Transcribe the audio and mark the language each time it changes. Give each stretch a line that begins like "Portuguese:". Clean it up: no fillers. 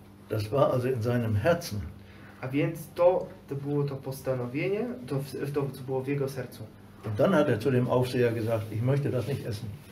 German: Das war also in seinem Herzen.
Polish: A więc to było to postanowienie, to co było w jego sercu.
German: Und dann hat er zu dem Aufseher gesagt, ich möchte das nicht essen.